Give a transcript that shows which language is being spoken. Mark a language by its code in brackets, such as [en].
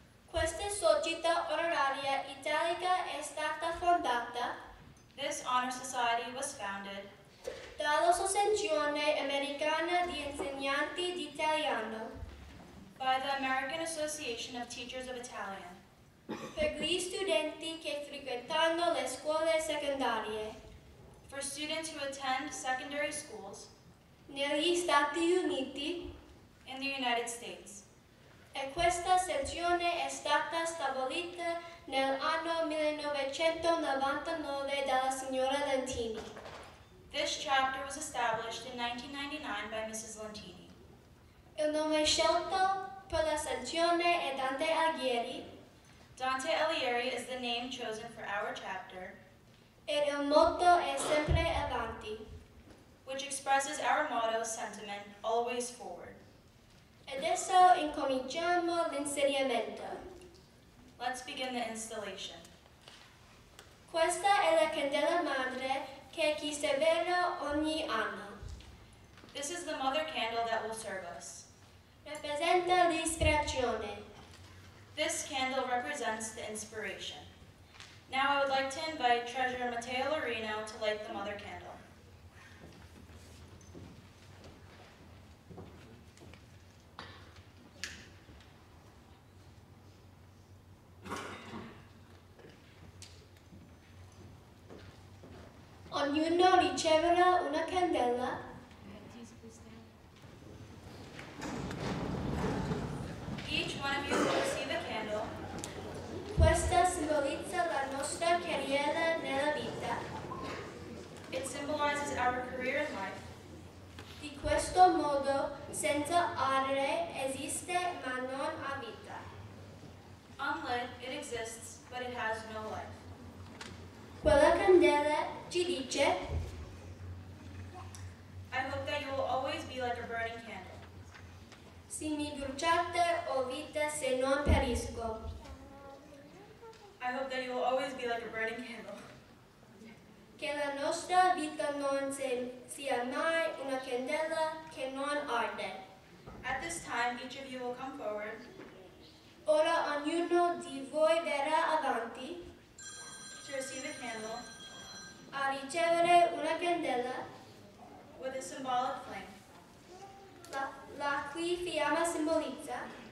[it] Questa società onoraria italica è stata fondata. [en] This honor society was founded. [it] Dall'Associazione Americana di Insegnanti d'Italiano. [en] By the American Association of Teachers of Italian. [it] Per gli studenti che frequentano le scuole secondarie. [en] For students who attend secondary schools. [it] Negli Stati Uniti. [en] In the United States. [it] E questa sezione è stata stabilita nel anno 1999 dalla signora Lentini. [en] This chapter was established in 1999 by Mrs. Lentini. [it] Il nome scelto per la sezione è Dante Alighieri. [en] Dante Alighieri is the name chosen for our chapter. [it] Ed il motto è sempre avanti. [en] Which expresses our motto, sentiment, always forward. [it] Adesso incominciamo l'insediamento. [en] Let's begin the installation. [it] Questa è la candela madre che ci servirà ogni anno. [en] This is the mother candle that will serve us. [it] Rappresenta l'ispirazione. [en] This candle represents the inspiration. Now I would like to invite Treasurer Matteo Lorino to light the mother candle. [it] Ognuno riceverà una candela. [en] Each one of you will receive a candle. [it] Questa simbolizza la nostra carriera nella vita. [en] It symbolizes our career in life. [it] Di questo modo, senza ardere, esiste ma non ha vita. [en] Unlit, it exists, but it has no life. [it] Quella candela ci dice. [en] I hope that you will always be like a burning candle. [it] Se mi bruciate o vita se non perisco. [en] I hope that you will always be like a burning candle. [it] Che la nostra vita non sia mai una candela che non arde. [en] At this time, each of you will come forward. [it] Ora ognuno di voi verrà avanti. [en] To receive a candle, [it] a ricevere una candela, [en] with a symbolic flame, [it] la cui fiamma simbolizza,